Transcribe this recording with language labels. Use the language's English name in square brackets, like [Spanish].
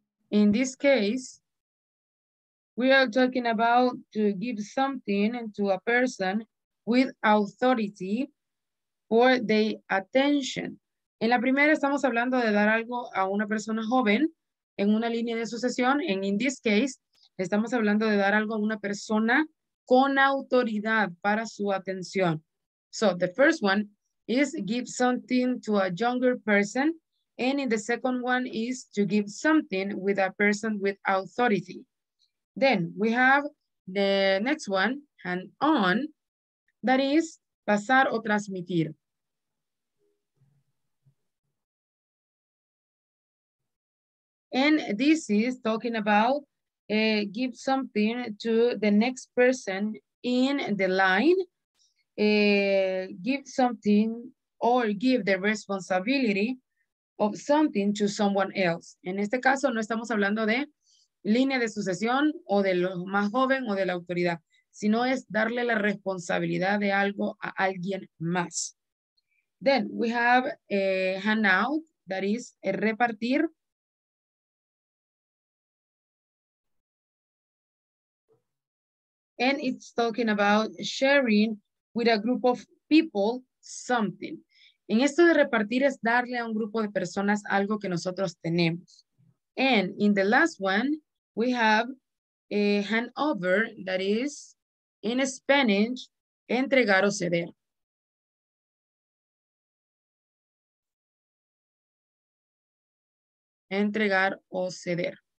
[English] In this case, we are talking about to give something to a person with authority for their attention. [Spanish] En la primera estamos hablando de dar algo a una persona joven en una línea de sucesión. [English] And in this case, [Spanish] estamos hablando de dar algo a una persona con autoridad para su atención. [English] So the first one is give something to a younger person. And in the second one is to give something with a person with authority. Then we have the next one, hand on, that is [Spanish] pasar o transmitir. [English] And this is talking about give something to the next person in the line, give something or give the responsibility of something to someone else. [Spanish] En este caso, no estamos hablando de línea de sucesión o de lo más joven o de la autoridad, sino es darle la responsabilidad de algo a alguien más. [English] Then we have a handout, that is a repartir. And it's talking about sharing with a group of people something. [Spanish] En esto de repartir es darle a un grupo de personas algo que nosotros tenemos. [English] And in the last one, we have a handover, that is in Spanish, [Spanish] entregar o ceder. Entregar o ceder.